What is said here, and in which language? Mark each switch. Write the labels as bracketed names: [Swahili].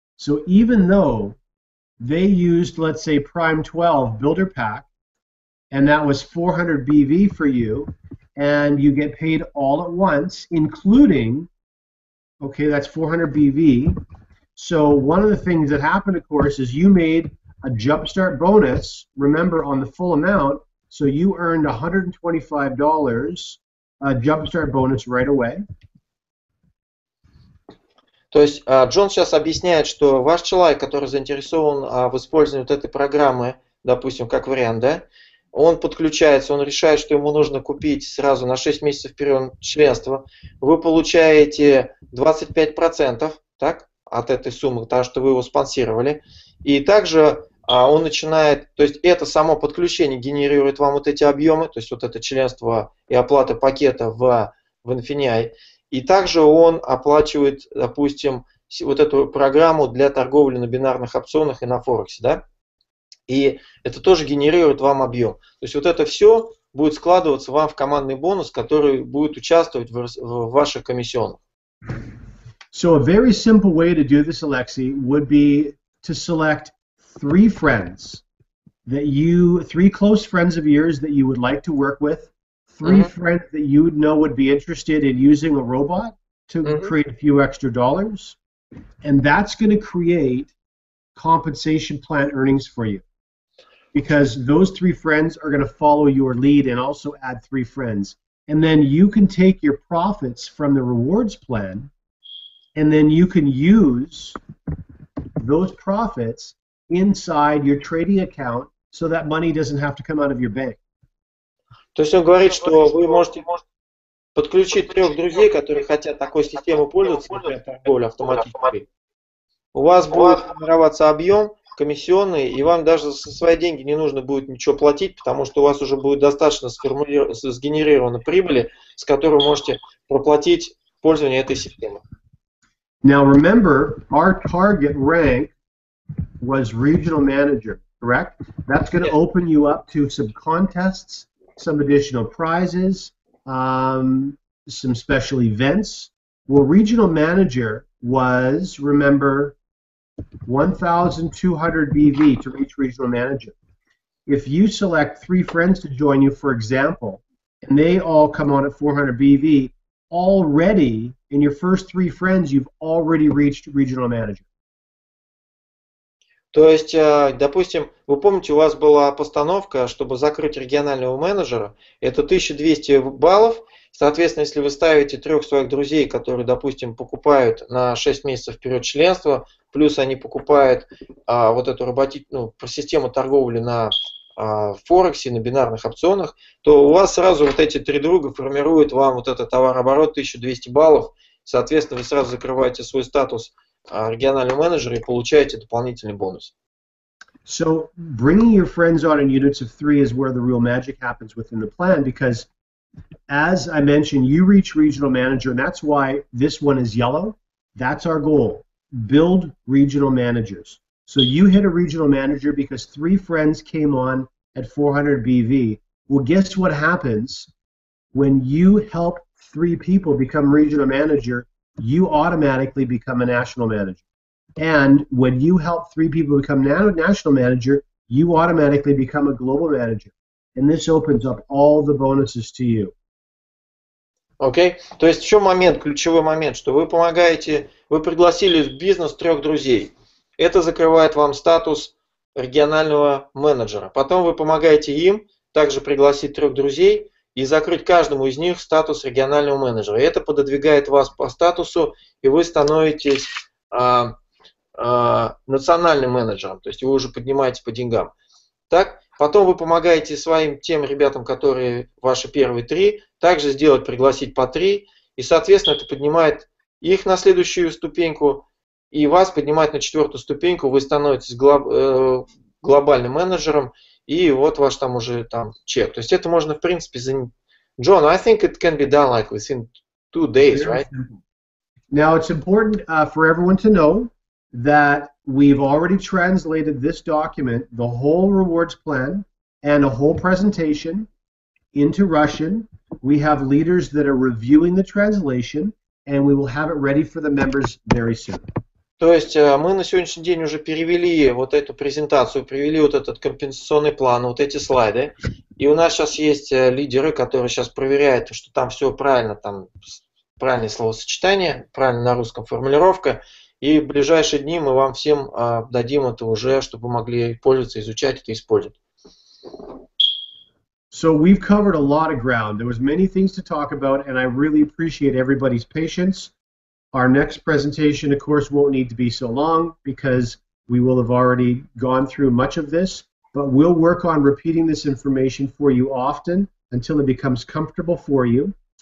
[English] So even though they used, let's say, Prime 12 Builder Pack, and that was 400 BV for you, and you get paid all at once, including, okay, that's 400 BV. So one of the things that happened, of course, is you made a jumpstart bonus, remember, on the full amount, so you earned $125 a jumpstart bonus right away. [Russian] То есть Джон сейчас объясняет, что ваш человек, который заинтересован в использовании вот этой программы, допустим, как вариант, да, он подключается, он решает, что ему нужно купить сразу на 6 месяцев вперед членство. Вы получаете 25%, так, от этой суммы, потому что вы его спонсировали. И также он начинает, то есть это само подключение генерирует вам вот эти объемы, то есть вот это членство и оплата пакета в Infinia. И также он оплачивает, допустим, вот эту программу для торговли на бинарных опционах и на Форексе, да? И это тоже генерирует вам объем. То есть вот это все будет складываться вам в командный бонус, который будет участвовать в ваших комиссионах. [English] So a very simple way to do this, Alexei, would be to select three friends that you, three close friends of yours that you would like to work with. Three mm-hmm. friends that you would know would be interested in using a robot to mm-hmm. create a few extra dollars, and that's going to create compensation plan earnings for you, because those three friends are going to follow your lead and also add three friends, and then you can take your profits from the rewards plan, and then you can use those profits inside your trading account so that money doesn't have to come out of your bank. [Russian] То есть он говорит, что вы можете подключить трех друзей, которые хотят такой системой пользоваться, более автоматически. У вас будет формироваться объем комиссионный, и вам даже со свои деньги не нужно будет ничего платить, потому что у вас уже будет достаточно сгенерировано прибыли, с которой вы можете проплатить пользование этой системы. [English] Now remember, our target rank was regional manager, correct? That's going to open you up to some contests, some additional prizes, some special events. Well, regional manager was, remember, 1,200 BV to reach regional manager. If you select three friends to join you, for example, and they all come on at 400 BV, already, in your first three friends, you've already reached regional manager. [Russian] То есть, допустим, вы помните, у вас была постановка, чтобы закрыть регионального менеджера, это 1200 баллов, соответственно, если вы ставите трех своих друзей, которые, допустим, покупают на 6 месяцев вперед членство, плюс они покупают вот эту систему торговли на Форексе, на бинарных опционах, то у вас сразу вот эти три друга формируют вам вот этот товарооборот 1200 баллов, соответственно, вы сразу закрываете свой статус региональный менеджер и получаете дополнительный бонус. [English] So bringing your friends on in units of three is where the real magic happens within the plan, because as I mentioned, you reach regional manager, and that's why this one is yellow. That's our goal. Build regional managers. So you hit a regional manager because three friends came on at 400 BV. Well, guess what happens when you help three people become regional manager? You automatically become a national manager. And when you help three people become national manager, you automatically become a global manager, and this opens up all the bonuses to you. Окей. Okay. [Russian] То есть, в чем момент, ключевой момент, что вы помогаете, вы пригласили в бизнес трех друзей. Это закрывает вам статус регионального менеджера. Потом вы помогаете им также пригласить трех друзей и закрыть каждому из них статус регионального менеджера. И это пододвигает вас по статусу, и вы становитесь национальным менеджером. То есть, вы уже поднимаете по деньгам. Так? Потом вы помогаете своим тем ребятам, которые ваши первые три, также сделать, пригласить по три, и, соответственно, это поднимает их на следующую ступеньку, и вас поднимает на четвертую ступеньку, вы становитесь глобальным менеджером, и вот ваш там уже там чек. То есть это можно, в принципе, за... [English] John, I think it can be done like within 2 days, right? Now, it's important for everyone to know that we've already translated this document, the whole rewards plan and a whole presentation into Russian. We have leaders that are reviewing the translation, and we will have it ready for the members very soon. [Russian] То есть мы на сегодняшний день уже перевели вот эту презентацию, привели вот этот компенсационный план, вот эти слайды. И у нас сейчас есть лидеры, которые сейчас проверяют, что там все правильно, там правильное словосочетание, правильно на русском формулировка. И в ближайшие дни мы вам всем дадим это уже, чтобы вы могли пользоваться, изучать это, использовать. [English] So we've covered a lot of ground. There was many things to talk about, and I really appreciate everybody's patience. Our next presentation, of course, won't need to be so long because we will have already gone through much of this, but we'll work on repeating this information for you often until it becomes comfortable for you.